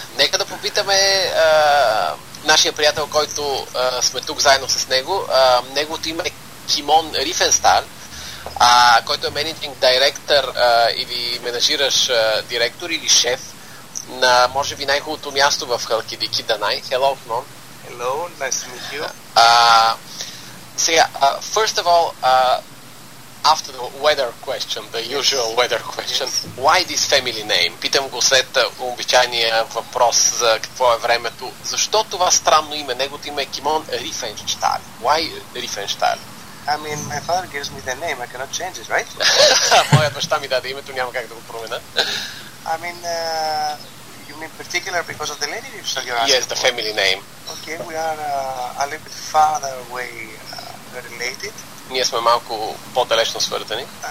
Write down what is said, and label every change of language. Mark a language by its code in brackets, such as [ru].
[bg] Нека да попитаме нашия приятел, който сме тук заедно с него. Неговото име е Кимон Рифенстал, който е менеджинг директор или менажираш директор или шеф на може би най-хубавото място в Халкидики, Данай. [en] Hello, [bg] Кимон. [en] Hello, nice to meet you. [bg] Сега, [en] first of all, after the weather question, the usual weather question, why this family name? [bg] Питам го след обичайния въпрос за какво е времето. Защо това странно име? Неговото име е Кимон Рифенштал. [en] Why Рифенштал? I mean, my father gives me the name, I cannot change it, right? [bg] Моят баща ми даде името, няма как да го променя. [en] I mean, you mean particular because of the lady you said you're asking? Yes, the family name. Okay, we are a little bit farther away related. [bg] Ние сме малко по-далечно свързани.